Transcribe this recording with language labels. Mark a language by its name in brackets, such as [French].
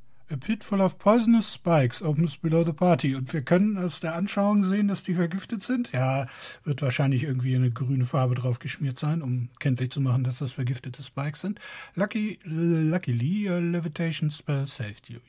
[English] A pit full of poisonous spikes opens below the party. [German] Und wir können aus der Anschauung sehen, dass die vergiftet sind. Ja, wird wahrscheinlich irgendwie eine grüne Farbe drauf geschmiert sein, um kenntlich zu machen, dass das vergiftete Spikes sind. [English] Luckily, your levitation spell saved you.